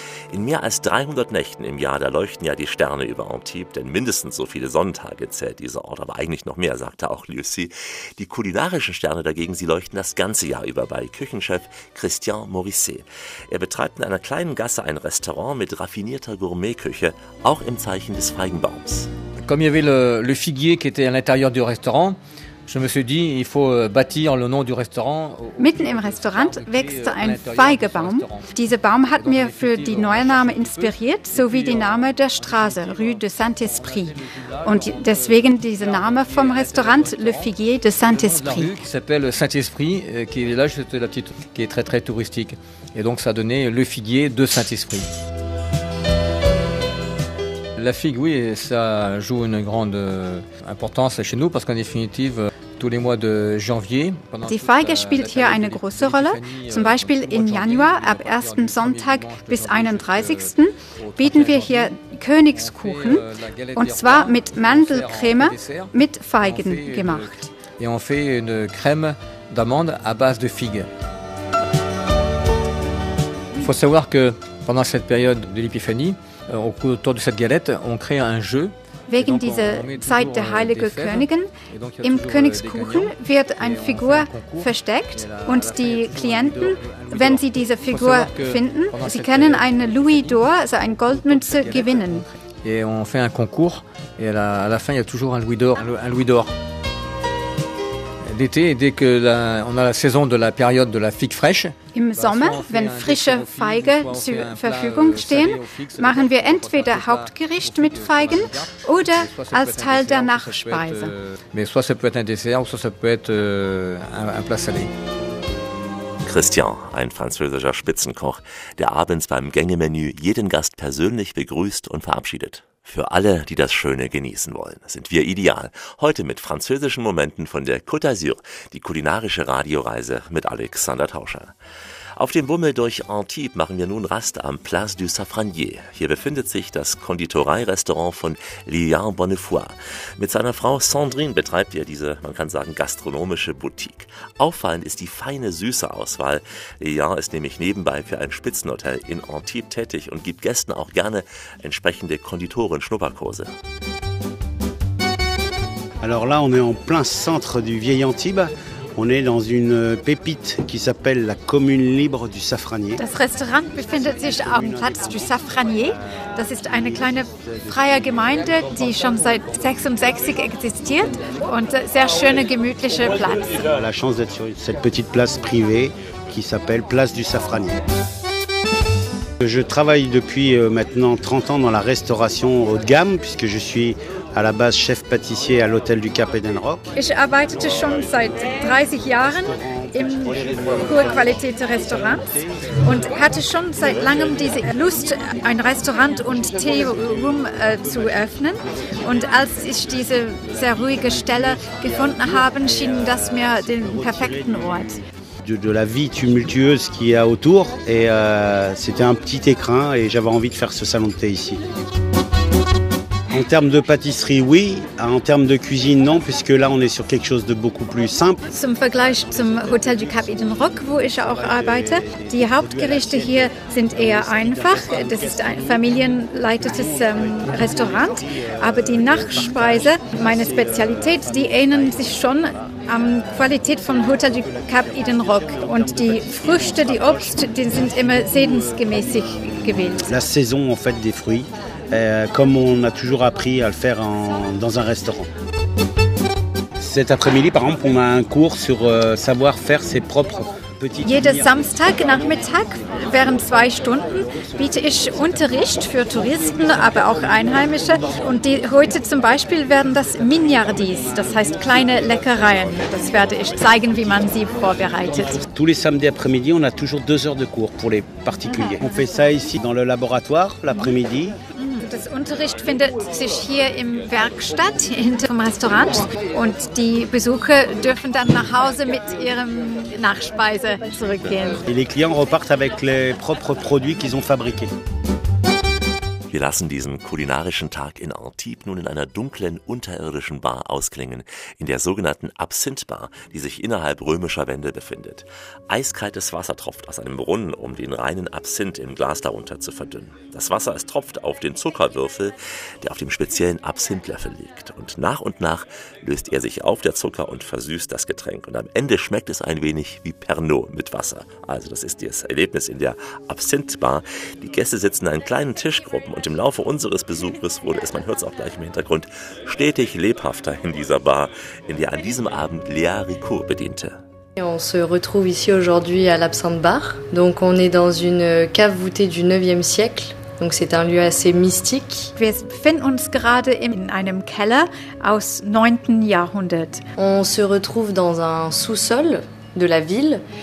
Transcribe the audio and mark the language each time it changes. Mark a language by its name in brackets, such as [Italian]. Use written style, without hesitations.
[German] In mehr als 300 Nächten im Jahr, da leuchten ja die Sterne über Antibes, denn mindestens so viele Sonnentage zählt dieser Ort, aber eigentlich noch mehr, sagte auch Lucy. Die kulinarischen Sterne dagegen, sie leuchten das ganze Jahr über bei Küchenchef Christian Morisset. Er betreibt in einer kleinen Gasse ein Restaurant mit raffinierter Gourmetküche, auch im Zeichen des Feigenbaums. [French] Comme il y avait le figuier qui était à l'intérieur du restaurant, je me suis dit, il faut bâtir le nom du restaurant. [German] Mitten im Restaurant wächst ein Feigebaum. Dieser Baum hat mir für die neue Name inspiriert, sowie die Name der Straße, Rue de Saint-Esprit. Und deswegen dieser Name vom Restaurant, Le Figuier de Saint-Esprit. [French] Qui s'appelle Saint-Esprit, qui est là, c'est la petite, qui est très très touristique. Et donc ça a donné Le Figuier de Saint-Esprit. La figue, oui, ça joue une grande importance chez nous parce qu'en définitive, tous les mois de janvier. [German] Die Feige spielt hier eine große Rolle. Zum Beispiel im Januar, ab 1. Sonntag bis 31. bieten wir hier Königskuchen, und zwar mit Mandelcreme mit Feigen gemacht. [French] Et on fait une crème d'amande à base de figues. Il faut savoir que pendant cette période de l'épiphanie, autour de cette galette, on crée un jeu. [German] Wegen dieser Zeit der Heiligen Königin, im Königskuchen wird eine Figur versteckt und die Klienten, wenn sie diese Figur finden, sie können eine Louis d'Or, also eine Goldmünze, gewinnen. [French] Et on fait un concours et à la fin il y a toujours un Louis d'Or. L'été, dès que on a la saison de la période de la figue fraîche. [German] Im Sommer, wenn frische Feigen zur Verfügung stehen, machen wir entweder Hauptgericht mit Feigen oder als Teil der Nachspeise. [French] Mais soit ça peut être un dessert ou soit ça peut être un plat salé. [German] Christian, ein französischer Spitzenkoch, der abends beim Gängemenü jeden Gast persönlich begrüßt und verabschiedet. Für alle, die das Schöne genießen wollen, sind wir ideal. Heute mit französischen Momenten von der Côte d'Azur, die kulinarische Radioreise mit Alexander Tauscher. Auf dem Bummel durch Antibes machen wir nun Rast am Place du Safranier. Hier befindet sich das Konditorei-Restaurant von Lilian Bonnefoy. Mit seiner Frau Sandrine betreibt er diese, man kann sagen, gastronomische Boutique. Auffallend ist die feine, süße Auswahl. Lilian ist nämlich nebenbei für ein Spitzenhotel in Antibes tätig und gibt Gästen auch gerne entsprechende Konditoren-Schnupperkurse. [French] Alors là, on est en plein centre du vieil Antibes. On est dans une pépite qui s'appelle la commune libre du Safranier. [German] Das Restaurant befindet sich am Platz du Safranier. Das ist eine kleine freie Gemeinde, die schon seit 66 existiert und sehr schöne gemütliche Platz. [French] La chance d'être sur cette petite place privée qui s'appelle Place du Safranier. Je travaille depuis maintenant 30 ans dans la restauration haut de gamme puisque je suis à la base chef pâtissier à l'hôtel du Cap Eden Rock. [German] Ich arbeitete schon seit 30 Jahren im hohe Qualität Restaurant und hatte schon seit langem diese Lust, ein Restaurant und Tee-Room zu öffnen. Und als ich diese sehr ruhige Stelle gefunden habe, schien das mir den perfekten Ort. [French] De la vie tumultueuse qu'il y a autour et c'était un petit écrin et j'avais envie de faire ce salon de thé ici. En termes de pâtisserie, oui. En termes de cuisine, non, puisque là, on est sur quelque chose de beaucoup plus simple. [German] Zum Vergleich zum Hotel du Cap Eden Rock, wo ich auch arbeite, die Hauptgerichte hier sind eher einfach. Das ist ein familienleitetes Restaurant. Aber die Nachspeise, meine Spezialität, die ähneln sich schon an Qualität vom Hotel du Cap Eden Rock. Und die Früchte, die Obst, die sind immer saisonmäßig gewählt. [French] La saison, en fait, des fruits. Comme on a toujours appris à le faire dans un restaurant. Cet après-midi, par exemple, on a un cours sur savoir faire ses propres petites. [German] Jeden Samstag Nachmittag während zwei Stunden biete ich Unterricht für Touristen, aber auch Einheimische. Und die heute zum Beispiel werden das Mignardis, das heißt kleine Leckereien. Das werde ich zeigen, wie man sie vorbereitet. [French] Tous les samedis après-midi, on a toujours deux heures de cours pour les particuliers. On fait ça ici dans le laboratoire l'après-midi. [German] Das Unterricht findet sich hier im Werkstatt hinter dem Restaurant und die Besucher dürfen dann nach Hause mit ihrem Nachspeise zurückgehen. [French] Et les clients repartent avec les propres produits qu'ils ont fabriqués. [German] Wir lassen diesen kulinarischen Tag in Antibes nun in einer dunklen, unterirdischen Bar ausklingen, in der sogenannten Absinthe-Bar, die sich innerhalb römischer Wände befindet. Eiskaltes Wasser tropft aus einem Brunnen, um den reinen Absinthe im Glas darunter zu verdünnen. Das Wasser es tropft auf den Zuckerwürfel, der auf dem speziellen Absinthe-Löffel liegt. Und nach löst er sich auf der Zucker und versüßt das Getränk. Und am Ende schmeckt es ein wenig wie Pernod mit Wasser. Also das ist das Erlebnis in der Absinthe-Bar. Die Gäste sitzen in einen kleinen Tischgruppen. Und im Laufe unseres Besuches wurde es, man hört es auch gleich im Hintergrund, stetig lebhafter in dieser Bar, in der an diesem Abend Léa Ricourt bediente. [French] On se retrouve ici aujourd'hui à l'Absinthe Bar. Donc on est dans une cave voûtée du 9e siècle. Donc c'est un lieu assez mystique. [German] Wir befinden uns gerade in einem Keller aus 9. Jahrhundert. [French] On se retrouve dans un sous-sol de la ville.